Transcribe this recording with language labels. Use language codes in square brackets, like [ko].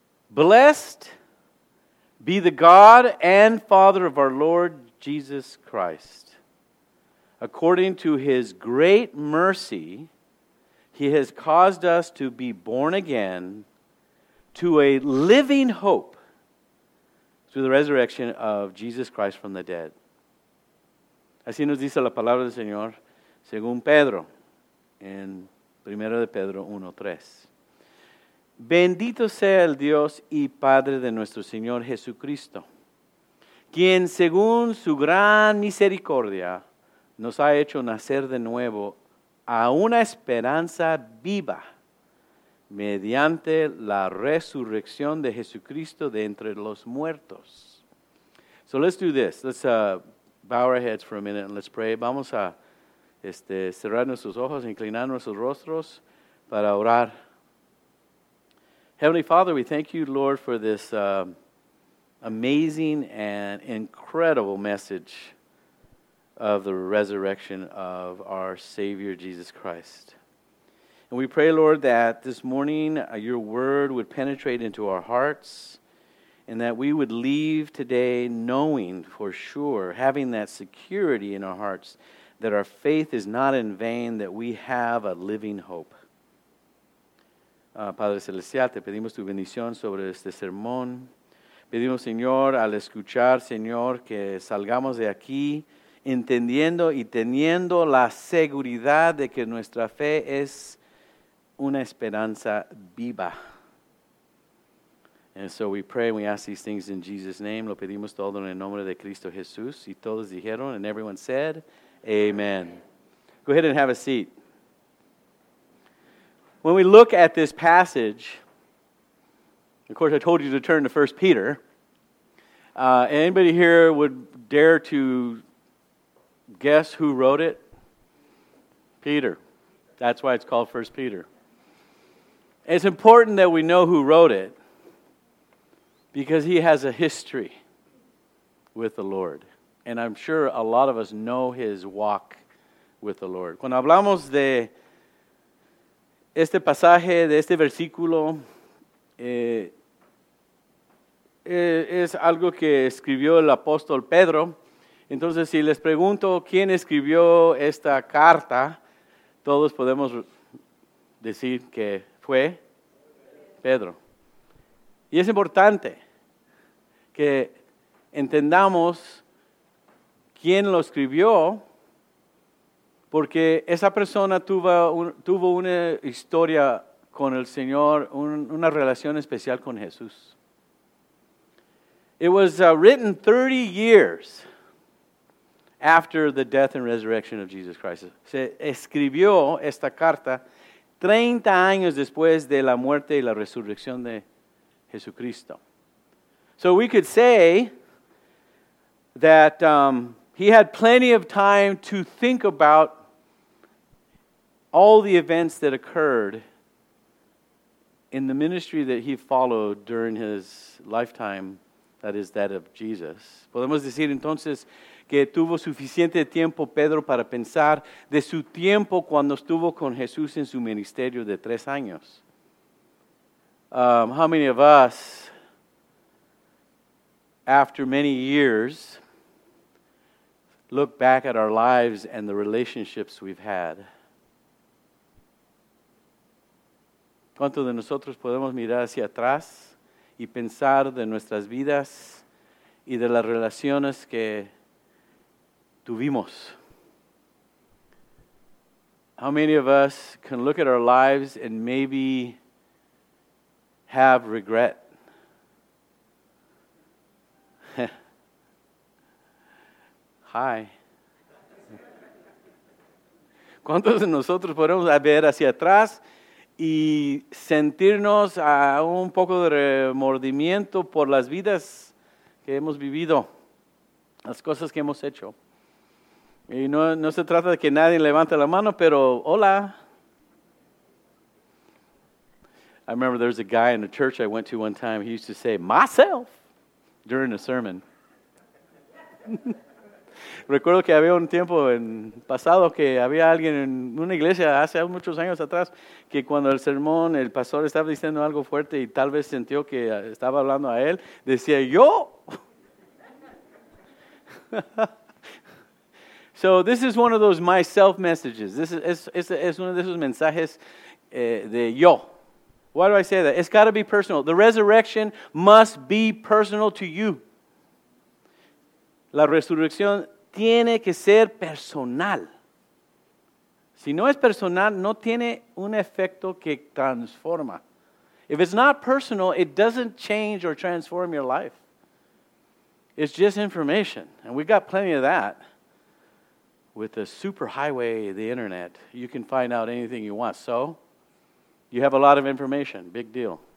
[en] Blessed be the God and Father of our Lord Jesus Christ. According to His great mercy, He has caused us to be born again to a living hope through the resurrection of Jesus Christ from the dead. [es] Así nos dice la palabra del Señor, según Pedro, en 1 Pedro 1:3. Bendito sea el Dios y Padre de nuestro Señor Jesucristo, quien según su gran misericordia nos ha hecho nacer de nuevo a una esperanza viva mediante la resurrección de Jesucristo de entre los muertos. [en] So let's do this. Let's bow our heads for a minute and let's pray. [es] Vamos a cerrar nuestros ojos, inclinar nuestros rostros para orar. [en] Heavenly Father, we thank you, Lord, for this amazing and incredible message of the resurrection of our Savior, Jesus Christ. And we pray, Lord, that this morning your word would penetrate into our hearts, and that we would leave today knowing for sure, having that security in our hearts, that our faith is not in vain, that we have a living hope. [es] Padre Celestial, te pedimos tu bendición sobre este sermón. Pedimos, Señor, al escuchar, Señor, que salgamos de aquí entendiendo y teniendo la seguridad de que nuestra fe es una esperanza viva. [en] And so we pray and we ask these things in Jesus' name. [es] Lo pedimos todo en el nombre de Cristo Jesús. Y todos dijeron, [en] and everyone said, Amen. Go ahead and have a seat. When we look at this passage, of course I told you to turn to 1 Peter. Anybody here would dare to guess who wrote it? Peter. That's why it's called 1 Peter. It's important that we know who wrote it, because he has a history with the Lord. And I'm sure a lot of us know his walk with the Lord. [es] Cuando hablamos de este pasaje, de este versículo, es algo que escribió el apóstol Pedro. Entonces, si les pregunto quién escribió esta carta, todos podemos decir que fue Pedro. Y es importante que entendamos quién lo escribió, porque esa persona tuvo una historia con el Señor, una relación especial con Jesús. [en] It was written 30 years after the death and resurrection of Jesus Christ. [es] Se escribió esta carta 30 años después de la muerte y la resurrección de Jesucristo. [en] So we could say that he had plenty of time to think about all the events that occurred in the ministry that he followed during his lifetime, that is, that of Jesus. [es] Podemos decir entonces que tuvo suficiente tiempo Pedro para pensar de su tiempo cuando estuvo con Jesús en su ministerio de 3 años. [en] How many of us, after many years, look back at our lives and the relationships we've had? [es] ¿Cuántos de nosotros podemos mirar hacia atrás y pensar de nuestras vidas y de las relaciones que tuvimos. [en] How many of us can look at our lives and maybe have regret? Hi. [es] ¿Cuántos de nosotros podemos ver hacia atrás y sentirnos a un poco de remordimiento por las vidas que hemos vivido, las cosas que hemos hecho? Y no se trata de que nadie levante la mano, pero hola. [en] I remember there was a guy in a church I went to one time. He used to say, myself, during a sermon. [es] Recuerdo que había un tiempo en pasado que había alguien en una iglesia hace muchos años atrás que cuando el sermón, el pastor estaba diciendo algo fuerte y tal vez sintió que estaba hablando a él, decía, yo. [en] So this is one of those myself messages. This is one of those [es] mensajes de yo. [en] Why do I say that? It's got to be personal. The resurrection must be personal to you. [es] La resurrección tiene que ser personal. Si no es personal, no tiene un efecto que transforma. [en] If it's not personal, it doesn't change or transform your life. It's just information. And we've got plenty of that. With the superhighway, the internet, you can find out anything you want. So, you have a lot of information. Big deal.